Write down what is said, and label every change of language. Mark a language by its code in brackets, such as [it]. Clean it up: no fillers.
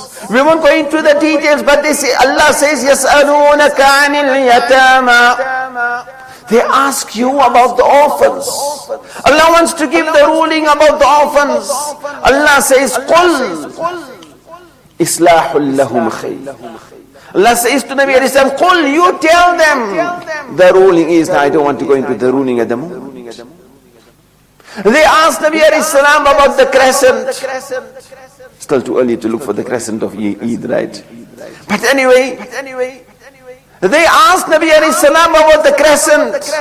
[en] We won't go into the details, but they say, Allah says, [ar] يَسْأَلُونَكَ عَنِ الْيَتَامَى. [en] They ask you about the orphans. Allah wants to give the ruling about the orphans. Allah says, [ar] قُلْ إِصْلَاحٌ لَهُمْ خَيْرٌ. [en] Allah says to Nabi alayhi wa sallam, قُلْ, you tell them. The ruling is, now I don't want to go into the ruling at the moment. They asked Nabi alayhi salam about the crescent. Still too early to look for the crescent of Eid, right? But anyway, they asked Nabi alayhi salam about the crescent.